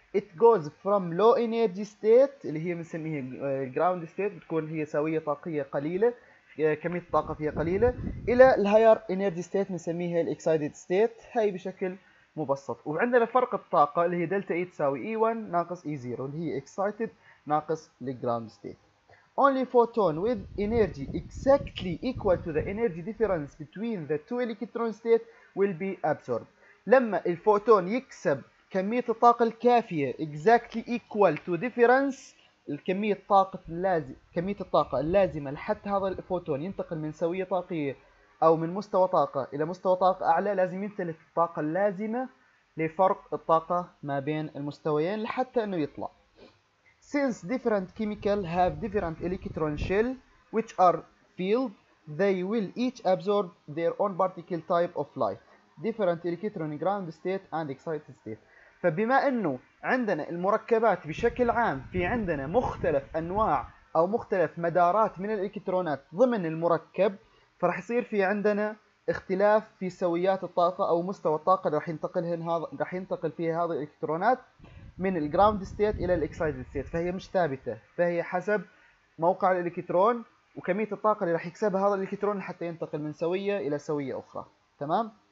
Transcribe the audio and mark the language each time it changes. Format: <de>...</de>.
<en>it goes from low energy state</en> <ar>اللي هي بنسميها ground state، بتكون هي سوية طاقية قليلة، كمية الطاقة فيها قليلة، إلى الـ higher energy state بنسميها الـ excited state. هاي بشكل مبسط. وعندنا فرق الطاقة اللي هي delta E تساوي E1 ناقص E0 اللي هي excited ناقص الـ ground state.</ar> <en>Only photon with energy exactly equal to the energy difference between the two electron state will be absorbed.</en> <ar>لما الفوتون يكسب كمية الطاقة الكافية</ar> <en>exactly equal to difference</en> <ar>الكمية الطاقة اللازمة، كمية الطاقة اللازمة لحتى هذا الفوتون ينتقل من سوية طاقية أو من مستوى طاقة إلى مستوى طاقة أعلى، لازم يمتلك الطاقة اللازمة لفرق الطاقة ما بين المستويين لحتى أنه يطلع.</ar> <en>Since different chemicals have different electron shell which are filled, they will each absorb their own particle type of light. Different electron ground state and excited state.</en> <ar>فبما أنه عندنا المركبات بشكل عام في عندنا مختلف أنواع أو مختلف مدارات من الإلكترونات ضمن المركب، فرح يصير في عندنا اختلاف في سويات الطاقة أو مستوى الطاقة اللي رح ينتقل فيها هذه الإلكترونات من الجراوند ستيت الى الاكسايتد ستيت، فهي مش ثابته، فهي حسب موقع الالكترون وكميه الطاقه اللي راح يكسبها هذا الالكترون حتى ينتقل من سويه الى سويه اخرى. تمام.</ar>